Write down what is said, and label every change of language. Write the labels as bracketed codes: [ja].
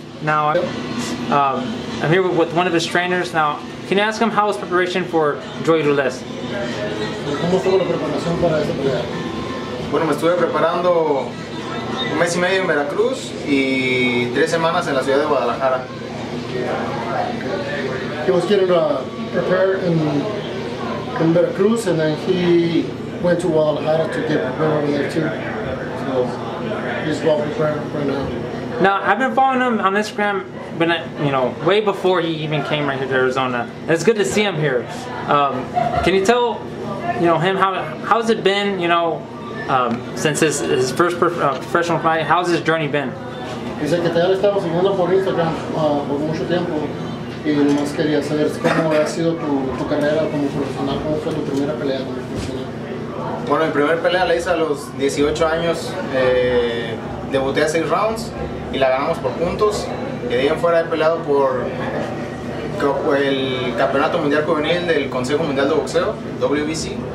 [en] Now, I'm here with one of his trainers. Now, can you ask him how his preparation for Joey Ruelas? [es] ¿Cómo estuvo la preparación para esta pelea? Bueno, me estuve preparando un mes y medio en Veracruz y tres semanas en la ciudad de Guadalajara. [en] He was getting prepared in Veracruz and then he went to Guadalajara to get prepared over there too. So he's well prepared right now. Now, I've been following him on Instagram, but you know, way before he even came right here to Arizona. And it's good to see him here. Can you tell, you know, him how's it been, you know, since his first professional fight? How's his journey been? He said that I was following him on Instagram for a long time, and I just wanted to know how has been your career as a professional. How was your first fight? [es] Bueno, mi primer pelea la hice a los 18 años. Debuté a 6 rounds y la ganamos por puntos. Y de ahí en fuera he peleado por el Campeonato Mundial Juvenil del Consejo Mundial de Boxeo, WBC.